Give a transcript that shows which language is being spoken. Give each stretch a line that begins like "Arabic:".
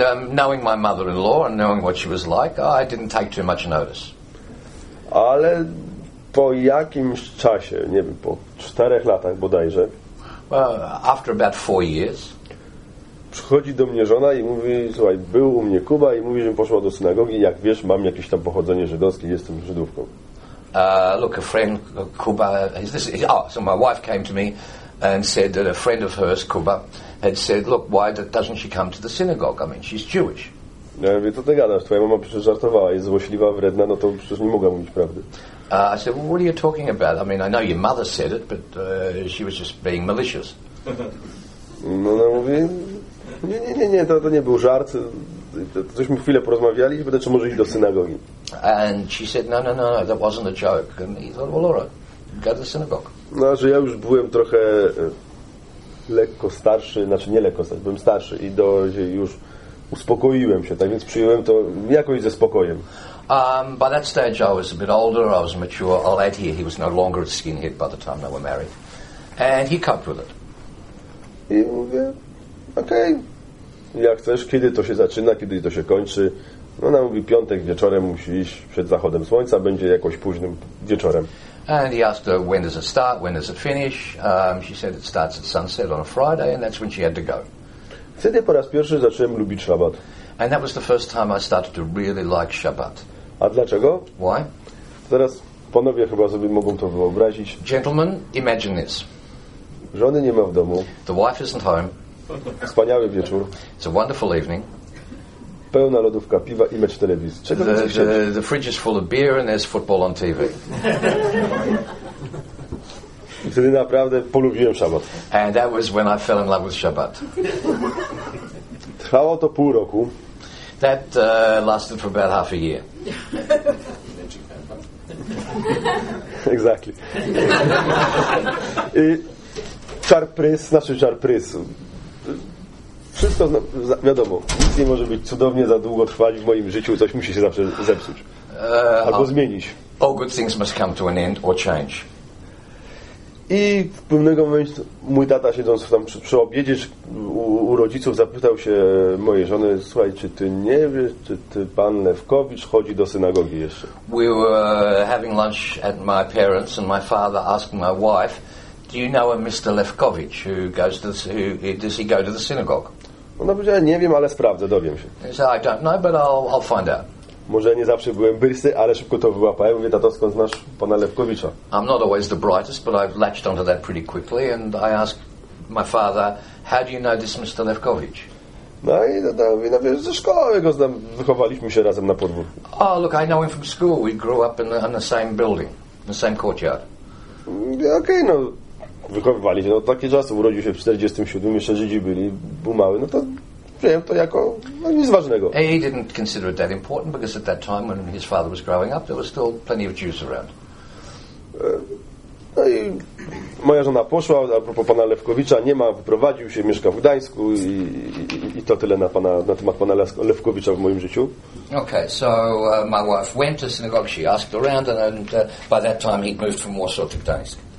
English: Knowing my mother-in-law and knowing what she was like, I didn't take too much notice.
Polish: Ale po jakimś czasie, nie wiem, po 4 latach bodajże,
English: after about 4 years,
Polish: przychodzi do mnie żona i mówi, słuchaj, był u mnie Kuba i mówi, że poszła do synagogi, jak wiesz, mam jakieś tam pochodzenie żydowskie, jestem Żydówką.
English: Look, a friend, Kuba, my wife came to me and said that a friend of hers, Kuba, had said, look, why doesn't she come to the synagogue? I mean, she's Jewish.
Polish: Ja mówię, co ty gadasz, twoja mama przecież żartowała, jest złośliwa, wredna, no to przecież nie mogła mówić prawdy.
English: I said, well, what are you talking about? I mean, I know your mother said it, but she was just being malicious.
Polish: No, ona mówi, nie, to nie był żart. Cośmy chwilę porozmawiali, będę czy może iść do synagogi.
English: And she said, no, that wasn't a joke. And he thought, well, all right, go to the synagogue.
Polish: No, że ja już byłem trochę lekko starszy, znaczy nie lekko starszy, byłem starszy i już uspokoiłem się, tak więc przyjąłem to jakoś ze spokojem.
English: By that stage I was a bit older, I was mature, I'll add here, he was no longer a skinhead by the time they were married. And he coped with it.
Polish: I mówię, okej. Jak chcesz, kiedy to się zaczyna, kiedy to się kończy. No ona mówi, piątek wieczorem musi iść przed zachodem słońca, będzie jakoś późnym wieczorem.
English: And he asked her, when does it start, when does it finish? She said it starts at sunset on a Friday and that's when she had to go.
Polish: Wtedy po raz pierwszy zacząłem lubić Szabat.
English: And that was the first time I started to really like Shabbat.
Polish: A dlaczego?
English: Why?
Polish: Zaraz panowie chyba sobie mogą to wyobrazić.
English: Gentlemen, imagine this.
Polish: Żony nie ma w domu.
English: The wife isn't home.
Polish: Wspaniały wieczór.
English: It's a wonderful evening.
Polish: Pełna lodówka piwa i mecz telewizji. Czego
English: the fridge is full of beer and there's football on TV.
Polish: Wtedy naprawdę polubiłem Szabat.
English: And that was when I fell in love with Shabbat.
Polish: Trwało to pół roku.
English: That lasted for about half a year. Exactly.
Polish: I czar prys. Wszystko, no, wiadomo, nic nie może być cudownie za długo trwać w moim życiu, coś musi się zawsze zepsuć. Albo zmienić.
English: All good things must come to an end or change.
Polish: I w pewnego momentu mój tata, siedząc tam przy obiedzie u rodziców, zapytał się mojej żony, słuchaj, czy ty nie wiesz, czy ty pan Lewkowicz chodzi do synagogi jeszcze?
English: We were having lunch at my parents and my father asked my wife, do you know a Mr. Lewkowicz who goes to does he go to the synagogue?
Polish: Ona powiedziała, nie wiem, ale sprawdzę, dowiem się.
English: So I don't know, but I'll find out.
Polish: Może nie zawsze byłem bystry, ale szybko to wyłapałem. Mówię, tato, skąd znasz pana Lewkowicza?
English: I'm not always the brightest, but I've latched onto that pretty quickly and I asked my father, how do you know this Mr. Lewkowicz?
Polish: No i tata mówi, no wiesz, ze szkoły go znam, wychowaliśmy się razem na podwórku.
English: Oh, look, I know him from school. We grew up in the same building, in the same courtyard.
Polish: Okej, okay, no, wychowywali się. No takie czasy, urodził się w 47, jeszcze Żydzi byli, był mały, no to... Wiem to jako no, nic ważnego.
English: He didn't consider it that important because at that time when his father was growing up there was still plenty of Jews around.
Polish: No i moja żona poszła, a propos pana Lewkowicza nie ma, wyprowadził się, mieszka w Gdańsku i to tyle na pana, na temat pana Lewkowicza w moim życiu.
English: Okay, so my wife went to synagogue, she asked around and by that time he'd moved from Warsaw to Gdańsk.